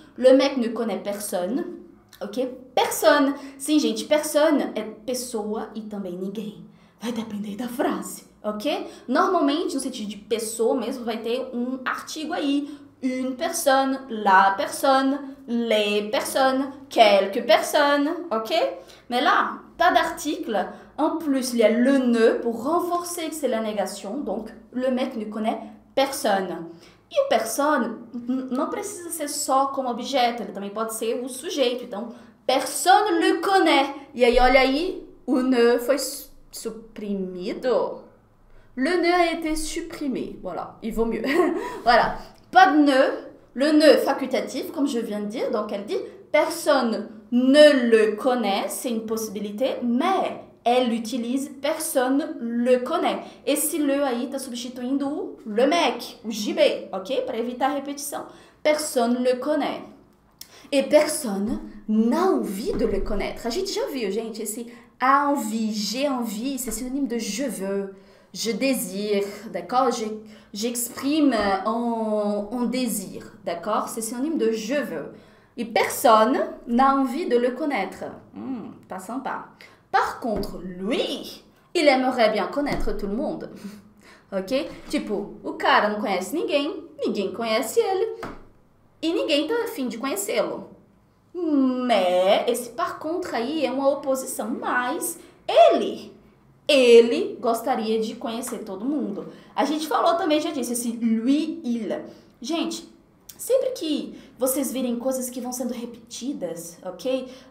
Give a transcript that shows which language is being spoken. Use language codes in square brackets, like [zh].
[fr] Le mec ne connaît personne, ok? Personne. [pt] Sim, gente, personne é pessoa e também ninguém. Vai depender da frase, ok? Normalmente, no sentido de pessoa mesmo, vai ter um artigo aí. [fr] Une personne, la personne, les personnes, quelques personnes, ok? Mais là, pas d'article. En plus, il y a le ne pour renforcer que c'est la négation. Donc, le mec ne connaît personne. [pt] E o personne não precisa ser só como objeto, ele também pode ser o sujeito. Então, [fr] personne le connaît. [pt] E aí, olha aí, o ne foi suprimido. [fr] Le ne a été supprimé. Voilà, il vaut mieux. Voilà. Pas de ne. Le ne facultatif, comme je viens de dire. Donc, elle dit personne ne le connaît. C'est une possibilité. Mais elle utilise personne le connaît. [pt] Et si le aí está substituindo o le mec, o JB, ok? Para evitar a repetição. [fr] Personne le connaît. Et personne n'a envie de le connaître. [pt] A gente já viu, gente, esse. [fr] A envie, j'ai envie, c'est synonyme de je veux, je désire, d'accord? J'exprime un désir, d'accord? C'est synonyme de je veux. Et personne n'a envie de le connaître. Pas sympa. Par contre, lui, il aimerait bien connaître tout le monde, ok? [pt] Tipo, o cara não conhece ninguém, ninguém conhece ele e ninguém tá a fim de conhecê-lo. Mas esse par contre aí é uma oposição. Mas ele gostaria de conhecer todo mundo. A gente falou também, já disse, esse lui, il. Gente, sempre que vocês virem coisas que vão sendo repetidas, ok?